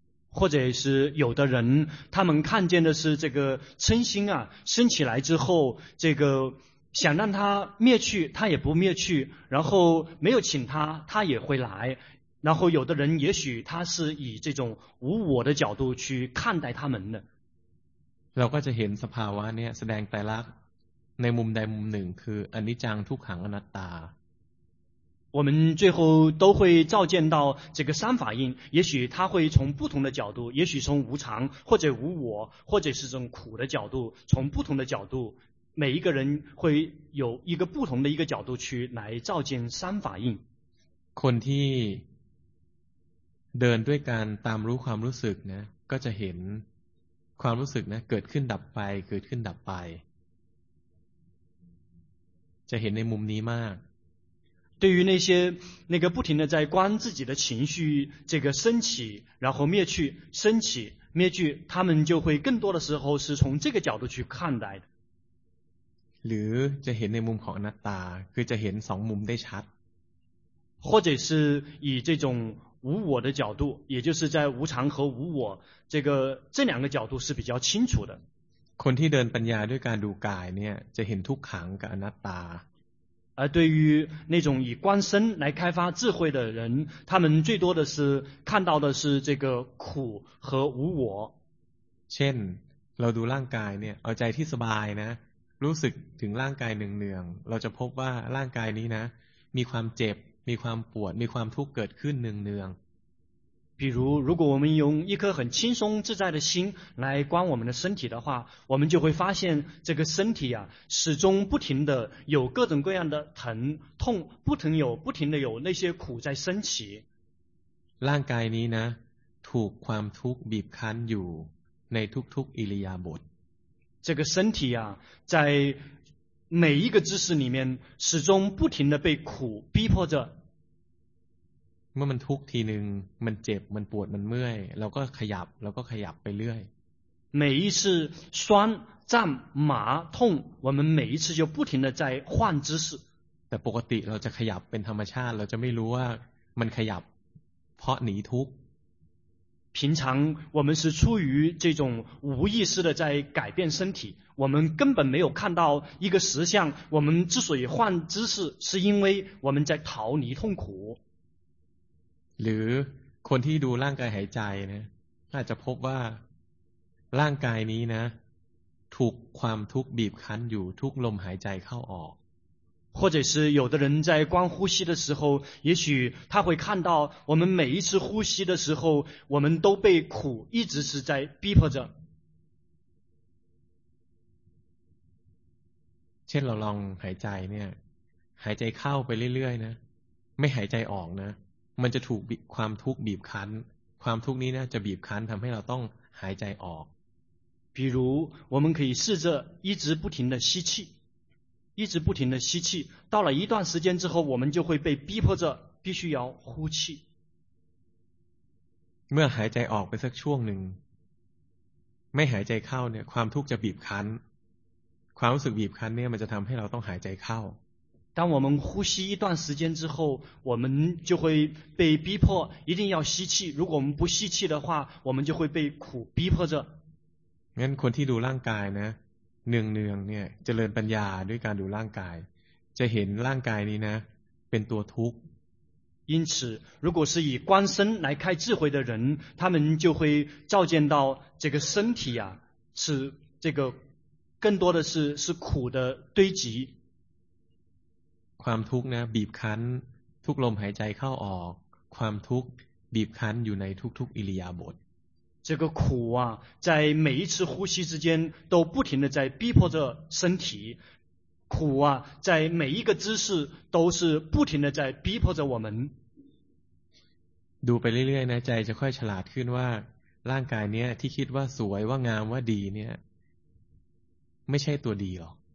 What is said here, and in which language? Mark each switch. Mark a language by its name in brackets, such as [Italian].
[Chinese] 或者是有的人他们看见的是这个嗔心啊升起来之后这个想让它灭去它也不灭去然后没有请它它也会来然后有的人也许他是以这种无我的角度去看待他们的 [Thai] เราก็จะเห็นสภาวะเนี่ยแสดงไตรลักษณ์ในมุมใดมุมหนึ่งคืออนิจจังทุกขังอนัตตา [Chinese] 我们最后都会照见到这个三法印也许它会从不同的角度也许从无常或者无我或者是从苦的角度从不同的角度每一个人会有一个不同的一个角度去来照见三法印 [Thai] คนที่เดินด้วยการตามรู้ความรู้สึกนะก็จะเห็นความรู้สึกนะเกิดขึ้นดับไปเกิดขึ้นดับไปจะเห็นในมุมนี้มาก [Chinese] 对于那个不停的在观自己的情绪这个升起然后灭去升起灭去他们就会更多的时候是从这个角度去看待的 [Thai] หรือจะเห็นในมุมของอนัตตาคือจะเห็นสองมุมได้ชัด [Chinese] 或者是以这种无我的角度也就是在无常和无我这两个角度是比较清楚的 [Thai] คนที่เดินปัญญาด้วยการดูกายเนี่ยจะเห็นทุกขังกับอนัตตา [Chinese] 而对于那种以观身来开发智慧的人他们最多的是看到的是这个苦和无我 [Thai] เช่นเราดูร่างกายเนี่ยเอาใจที่สบายนะรู้สึกถึงร่างกายเนืองๆเราจะพบว่าร่างกายนี้นะมีความเจ็บมีความปวดมีความทุกข์เกิดขึ้นเนืองๆ [Chinese] 比如如果我们用一颗很轻松自在的心来观我们的身体的话我们就会发现这个身体啊始终不停的有各种各样的疼痛不停的有那些苦在升起 [Thai] ร่างกายนี้นะถูกความทุกข์บีบคั้นอยู่ในทุกๆอิริยาบถ [Chinese] 这个身体啊在每一个姿势里面始终不停的被苦逼迫着 [Thai] เมื่อมันทุกข์ทีนึงมันเจ็บมันปวดมันเมื่อยเราก็ขยับเราก็ขยับไปเรื่อย [Chinese] 每一次酸胀麻痛我们每一次就不停的在换姿势 [Thai] แต่ปกติเราจะขยับเป็นธรรมชาติเราจะไม่รู้ว่ามันขยับเพราะหนีทุกข์ [Chinese] 平常我们是出于这种无意识的在改变身体我们根本没有看到一个实相我们之所以换姿势是因为我们在逃离痛苦 [Thai] หรือคนที่ดูร่างกายหายใจนะอาจจะพบว่าร่างกายนี้นะถูกความทุกข์บีบคั้นอยู่ทุกลมหายใจเข้าออก [Chinese] 或者是有的人在观呼吸的时候也许他会看到我们每一次呼吸的时候我们都被苦一直是在逼迫着 [Thai] เช่นเราลองหายใจเนี่ย หายใจเข้าไปเรื่อยๆนะไม่หายใจออกนะมันจะถูกความทุกข์บีบคั้นความทุกข์นี้นะจะบีบคั้นทำให้เราต้องหายใจออก [Chinese] 比如我们可以试着一直不停的吸气一直不停的吸气到了一段时间之后我们就会被逼迫着必须要呼气 [Thai] เมื่อหายใจออกไปสักช่วงหนึ่งไม่หายใจเข้าเนี่ยความทุกข์จะบีบคั้นความรู้สึกบีบคั้นเนี่ยมันจะทำให้เราต้องหายใจเข้า [Chinese] 当我们呼吸一段时间之后我们就会被逼迫一定要吸气如果我们不吸气的话我们就会被苦逼迫着 [Thai] งั้นคนที่ดูร่างกายนะเนืองๆเนี่ยเจริญปัญญาด้วยการดูร่างกายจะเห็นร่างกายนี้นะเป็นตัวทุกข์ [Chinese] 因此如果是以观身来开智慧的人他们就会照见到这个身体啊是这个更多的是苦的堆积 [Thai] ความทุกข์นะบีบคั้นทุกลมหายใจเข้าออกความทุกข์บีบคั้นอยู่ในทุกๆอิริยาบถ [Chinese] 这个苦啊在每一次呼吸之间都不停的在逼迫着身体苦啊在每一个姿势都是不停的在逼迫着我们 [Thai] ดูไปเรื่อยๆนะใจจะค่อยฉลาดขึ้นว่าร่างกายเนี้ยที่คิดว่าสวยว่างามว่าดีเนี่ยไม่ใช่ตัวดีหรอก